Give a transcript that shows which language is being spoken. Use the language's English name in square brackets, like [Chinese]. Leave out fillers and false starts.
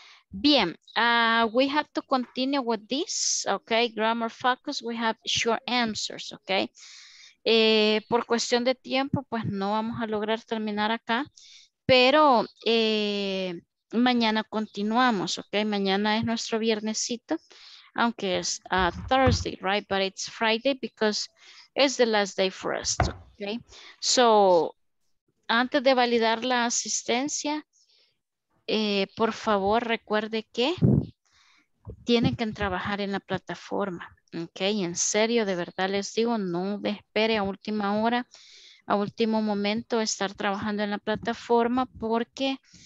[English] Bien, we have to continue with this, okay? Grammar focus, we have short answers, okay? [Spanish] Por cuestión de tiempo, pues no vamos a lograr terminar acá, pero mañana continuamos, okay? Mañana es nuestro viernesito. Aunque es Thursday, right? [English] But it's Friday because it's the last day for us, okay? [Spanish] So, antes de validar la asistencia, por favor, recuerde que tienen que trabajar en la plataforma, okay? En serio, de verdad les digo, no espere a última hora, a último momento estar trabajando en la plataforma porque...